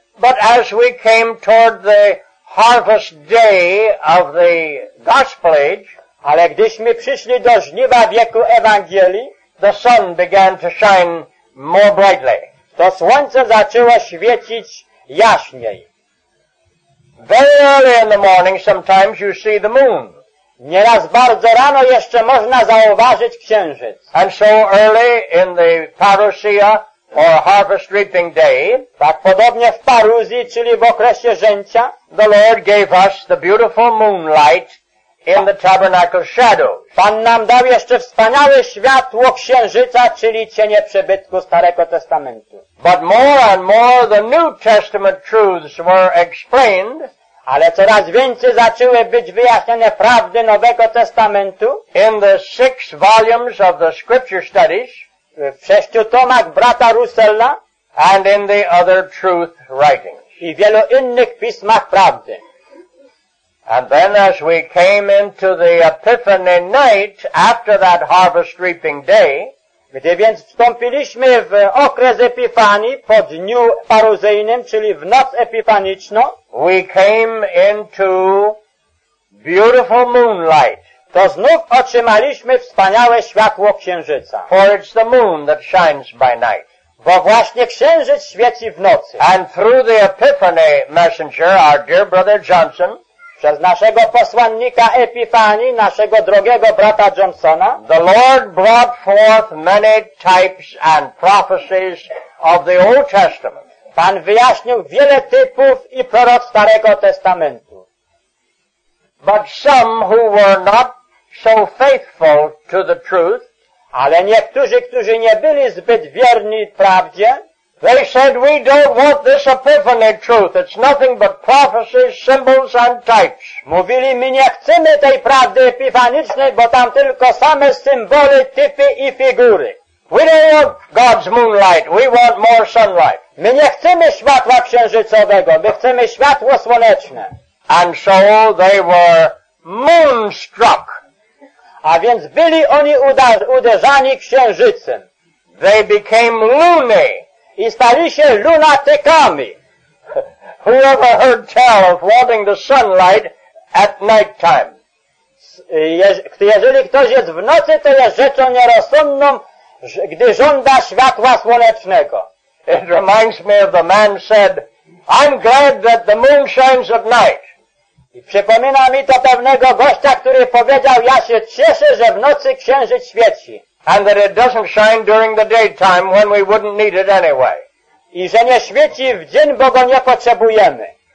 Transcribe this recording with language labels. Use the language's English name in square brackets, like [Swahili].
[English] But as we came toward the harvest day of the Gospel Age, [Polish] ale gdyśmy przyszli do żniwa wieku Ewangelii, [English] the sun began to shine more brightly. [Polish] To słońce zaczęło świecić jaśniej. [English] Very early in the morning sometimes you see the moon. [Polish] Nieraz bardzo rano jeszcze można zauważyć księżyc. [English] And so early in the parousia, or harvest reaping day, [Polish] tak podobnie w paruzji, czyli w okresie żęcia, [English] the Lord gave us the beautiful moonlight in the tabernacle shadow. [Polish] Pan nam dał jeszcze wspaniałe światło księżyca, czyli cienie przebytku Starego Testamentu. [English] But more and more the New Testament truths were explained. [Polish] Ale coraz więcej zaczęły być wyjaśnione prawdy Nowego Testamentu. [English] In the 6 volumes of the scripture studies. [Polish] W 6 tomach brata Russella. [English] And in the other truth writings. [Polish] I wielu innych pismach prawdy. [English] And then as we came into the Epiphany night after that harvest reaping day. [Polish] Gdy więc wstąpiliśmy w okres Epifanii po dniu paruzyjnym, czyli w noc epifaniczną, [English] we came into beautiful moonlight. [Polish] To znów otrzymaliśmy wspaniałe światło księżyca. [English] For it's the moon that shines by night. [Polish] Bo właśnie księżyc świeci w nocy. [English] And through the Epiphany messenger, our dear brother Johnson, [Polish] przez naszego posłannika Epifanii, naszego drogiego brata Johnsona, [English] the Lord brought forth many types and prophecies of the Old Testament. [Polish] Pan wyjaśnił wiele typów i proroc Starego Testamentu. [English] But some who were not so faithful to the truth, [Polish] ale niektórzy, którzy nie byli zbyt wierni prawdzie, [English] they said, we don't want this Epiphany truth. It's nothing but prophecies, symbols and types. [Polish] Mówili, my nie chcemy tej prawdy epifanicznej, bo tam tylko same symbole, typy i figury. [English] We don't want God's moonlight. We want more sunlight. [Polish] My nie chcemy światła księżycowego. My chcemy światło słoneczne. [English] And so they were moonstruck. [Polish] A więc byli oni uderzani księżycem. [English] They became loony. [Polish] I stali się lunatykami. [English] Who ever heard tell of wanting the sunlight at night time? [Polish] Jeżeli ktoś jest w nocy, to jest rzeczą nierozsądną, gdy żąda światła słonecznego. [English] It reminds me of the man said, I'm glad that the moon shines at night. [Polish] I przypomina mi to pewnego gościa, który powiedział, ja się cieszę, że w nocy księżyc świeci. [English] And that it doesn't shine during the daytime when we wouldn't need it anyway. [Polish] I że nie świeci w dzień, bo go nie potrzebujemy.